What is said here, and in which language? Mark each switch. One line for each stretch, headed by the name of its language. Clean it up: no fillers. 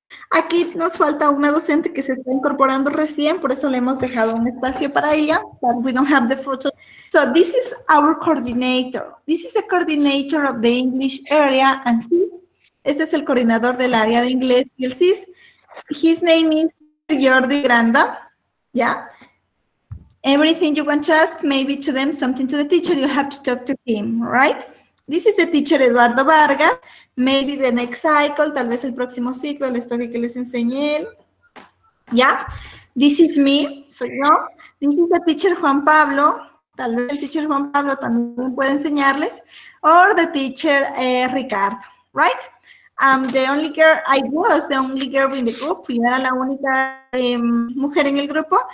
Spanish: Aquí nos falta una docente que se está incorporando recién, por eso le hemos dejado un espacio para ella.
English: But we don't have the photo. So this is our coordinator. This is the coordinator of the English area and CIS.
Spanish: Este es el coordinador del área de inglés y el CIS.
English: His name is Jordi Granda. Yeah. Everything you want to ask, maybe to them, something to the teacher, you have to talk to him, right? This is the teacher Eduardo Vargas. Maybe the next cycle,
Spanish: tal vez el próximo ciclo, les toque que les enseñe él.
English: Yeah, this is me,
Spanish: soy yo.
English: This is the teacher Juan Pablo.
Spanish: Tal vez el teacher Juan Pablo también puede enseñarles.
English: Or the teacher Ricardo, right? I was the only girl in the group.
Spanish: Yo era la única mujer en el grupo.